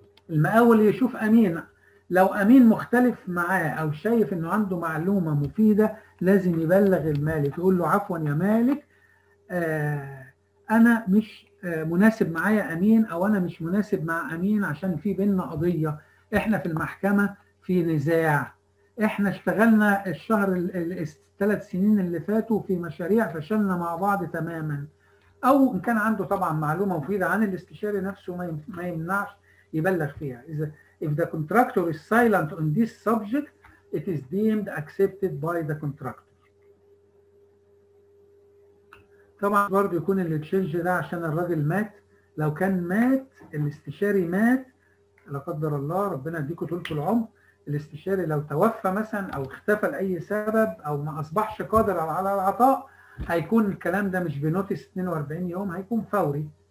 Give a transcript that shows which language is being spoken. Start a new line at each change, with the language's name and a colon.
Arabic: المقاول يشوف امين، لو امين مختلف معاه او شايف انه عنده معلومه مفيده لازم يبلغ المالك، يقول له عفوا يا مالك انا مش مناسب معايا امين، او انا مش مناسب مع امين عشان في بيننا قضية، احنا في المحكمة في نزاع، احنا اشتغلنا الشهر الثلاث سنين اللي فاتوا في مشاريع فشلنا مع بعض تماما. او ان كان عنده طبعا معلومة مفيدة عن الاستشاري نفسه ما يمنعش يبلغ فيها.
English: If the contractor is silent on this subject, it is deemed accepted by the contractor.
Arabic: طبعا برضو يكون الاتشينج ده عشان الراجل مات. لو كان مات الاستشاري مات لا قدر الله، ربنا يديكم طول العمر، الاستشاري لو توفى مثلا او اختفى لاي سبب او ما اصبحش قادر على العطاء، هيكون الكلام ده مش بنوتس 42 يوم، هيكون فوري.